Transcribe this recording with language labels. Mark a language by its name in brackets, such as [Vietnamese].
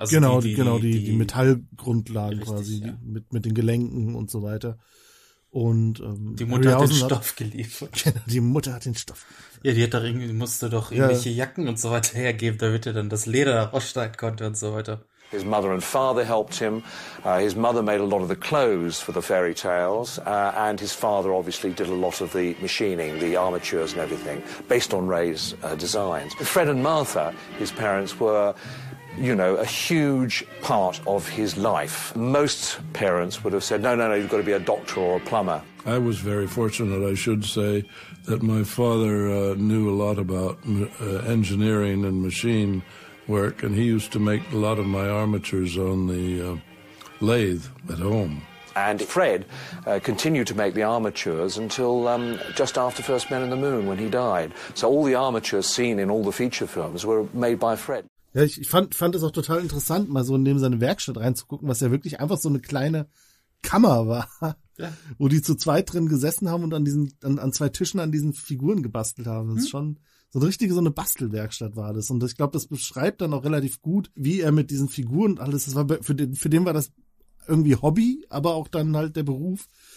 [German] Also genau, die Metallgrundlagen richtig, quasi, ja. mit den Gelenken und so weiter. Und die Mutter hat den Stoff geliefert. Genau, die Mutter hat den Stoff geliefert. Ja, die hat doch irgendwie, musste doch irgendwelche Jacken und so weiter hergeben, damit er dann das Leder da raussteigen konnte und so weiter. [English] His mother and father helped him. His mother made a lot of the clothes for the fairy tales. And his father obviously did a lot of the machining, the armatures and everything, based on Ray's designs. Fred and Martha, his parents, were, you know, a huge part of his life. Most parents would have said, no, you've got to be a doctor or a plumber. I was very fortunate, I should say, that my father knew a lot about engineering and machine work, and he used to make a lot of my armatures on the lathe at home. And Fred continued to make the armatures until just after First Men in the Moon, when he died. So all the armatures seen in all the feature films were made by Fred. [German] Ja, ich fand es auch total interessant, mal so neben seine Werkstatt reinzugucken, was ja wirklich einfach so eine kleine Kammer war, wo die zu zweit drin gesessen haben und an zwei Tischen an diesen Figuren gebastelt haben. Das ist schon so eine richtige, so eine Bastelwerkstatt war das. Und ich glaube, das beschreibt dann auch relativ gut, wie er mit diesen Figuren und alles, das war für den war das irgendwie Hobby, aber auch dann halt der Beruf.